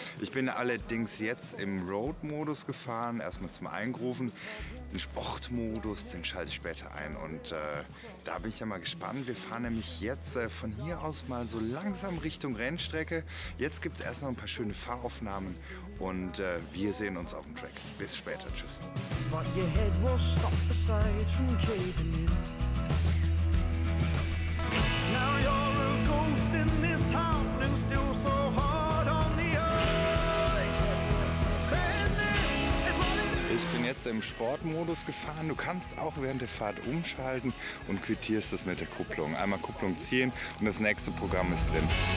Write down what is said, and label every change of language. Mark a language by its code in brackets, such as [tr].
[de] Ich bin allerdings jetzt im Road-Modus gefahren, erstmal zum Eingrooven. Den Sportmodus, den schalte ich später ein und da bin ich ja mal gespannt. Wir fahren nämlich jetzt von hier aus mal so langsam Richtung Rennstrecke. Jetzt gibt es erst noch ein paar schöne Fahraufnahmen und wir sehen uns auf dem Track. Bis später, tschüss. [en] But your head will stop the sides from caving in. Now you're a ghost in this town and still so hard on the ice. [de] Ich bin jetzt im Sportmodus gefahren. Du kannst auch während der Fahrt umschalten und quittierst es mit der Kupplung. Einmal Kupplung ziehen und das nächste Programm ist drin.